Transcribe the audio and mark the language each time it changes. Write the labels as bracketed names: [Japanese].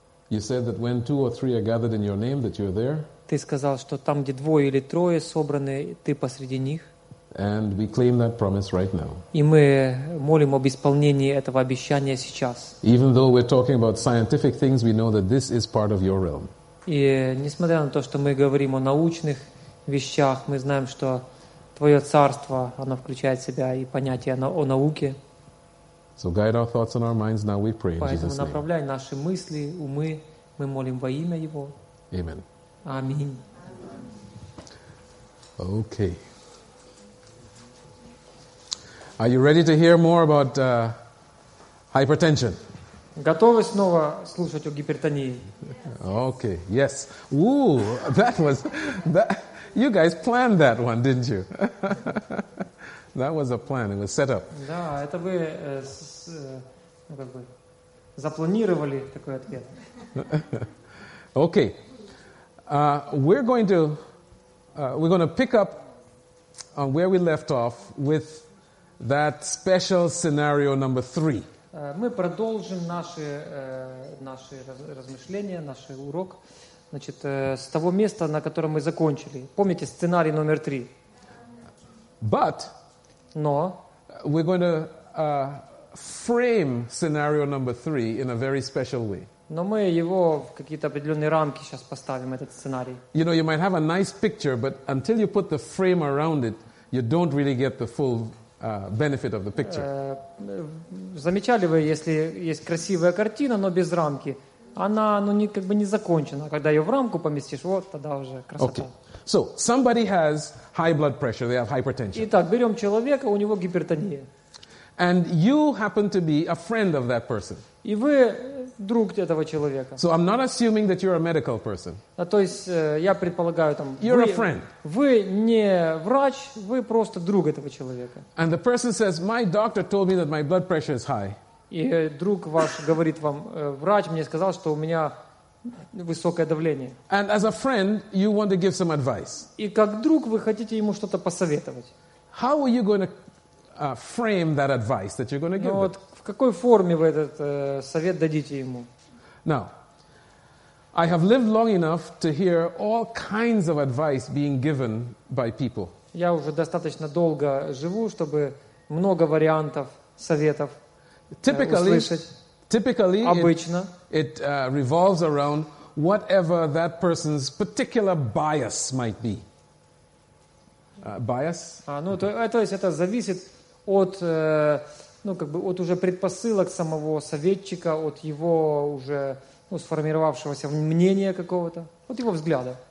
[English] You said that when two or three are gathered in your name that you're there. [Russian] Ты сказал, что там, где двое или трое собраны, ты посреди них. [English] And we claim that promise right now. [Russian] И мы молим об исполнении этого обещания сейчас. [English] Even though we're talking about scientific things, we know that this is part of your realm. [Russian] И несмотря на то, что мы говорим о научных вещах, мы знаем, что твое царство, оно включает в себя и понятие о науке. [English] So guide our thoughts and our minds now, we pray in Jesus' name. [Russian] Поэтому направляй наши мысли, умы, мы молим во имя Его. [English] Amen. [Russian] Аминь. [English] Okay. Are you ready to hear more about hypertension? [Russian] Готовы снова слушать о гипертонии? [English] Okay. Yes. Ooh, that was that. You guys planned that one, didn't you? That was a plan. It was set up. [Russian] Да, это вы запланировали такой ответ. [English] Okay. We're going to pick up on where we left off with. That special scenario number three. [Russian] Мы продолжим наши наши размышления, наш урок, значит, с того места, на котором мы закончили. Помните сценарий номер три? [English] But. [Russian] Но. [English] We're going to frame scenario number three in a very special way. [Russian] Но мы его в какие-то определенные рамки сейчас поставим этот сценарий. [English] You know, you might have a nice picture, but until you put the frame around it, you don't really get the full. Benefit of the picture. [Russian] Замечали вы, если есть красивая картина, но без рамки, она, ну, не, как бы не закончена. Когда ее в рамку поместишь, вот тогда уже красота. [English] Okay. So, somebody has high blood pressure, they have hypertension. [Russian] Итак, берем человека, у него гипертония. [English] And you happen to be a friend of that person. [Russian] И вы друг этого человека. [English] So I'm not assuming that you're a medical person. [Russian] А то есть я предполагаю там. [English] You're [Russian] вы, [English] a friend. [Russian] Вы не врач, вы просто друг этого человека. [English] And the person says, my doctor told me that my blood pressure is high. [Russian] И друг ваш говорит вам, врач мне сказал, что у меня высокое давление. [English] And as a friend, you want to give some advice. [Russian] И как друг вы хотите ему что-то посоветовать. [English] How are you going to frame that advice that you're going to give? [Russian] Вот в какой форме вы этот совет дадите ему? [English] Now, I have lived long enough to hear all kinds of advice being given by people. [Russian] Я уже достаточно долго живу, чтобы много вариантов советов услышать. [English] Typically, [Russian] обычно [English] it revolves around whatever that person's particular bias might be. Bias? Ну okay. [Russian] То есть это зависит от, ну, как бы, от уже предпосылок самого советчика, от его уже, ну, сформировавшегося мнения какого-то, от его взгляда.